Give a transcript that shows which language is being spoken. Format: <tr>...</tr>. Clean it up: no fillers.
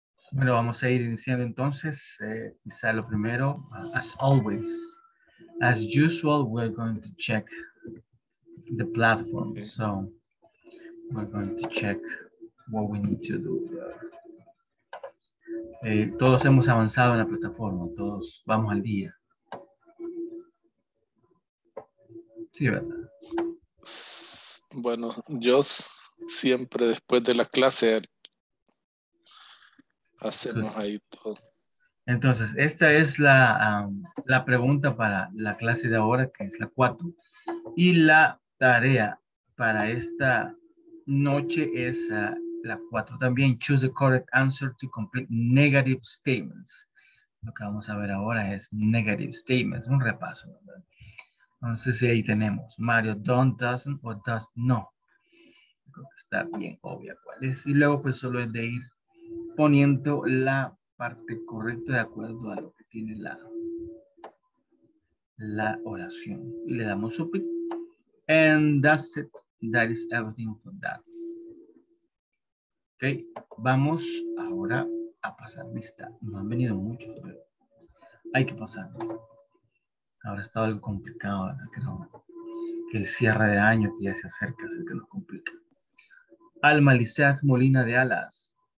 <es>Bueno, vamos a ir iniciando entonces, quizá lo primero,</es> <en>as always, as usual, we're going to check the platform, so we're going to check what we need to do.</en> <es>Todos hemos avanzado en la plataforma, todos vamos al día. Sí, ¿verdad? Bueno, yo siempre después de la clase... Hacemos ahí todo. Entonces, esta es la, la pregunta para la clase de ahora, que es la 4. Y la tarea para esta noche es la 4 también.</es> <en>Choose the correct answer to complete negative statements.</en> <es>Lo que vamos a ver ahora es negative statements. Un repaso, ¿verdad? Entonces, ahí tenemos. Mario, don't, doesn't, or does no. Creo que está bien obvia cuál es. Y luego, pues, solo es de ir poniendo la parte correcta de acuerdo a lo que tiene la, la oración. Y le damos submit.</es> <en>And that's it. That is everything for that.</en> <es>Ok, vamos ahora a pasar lista. No han venido muchos, pero hay que pasar lista. Ahora está algo complicado, ¿verdad? Creo que el cierre de año que ya se acerca es el que nos complica. Alma Lizeth Molina de Alas.</es>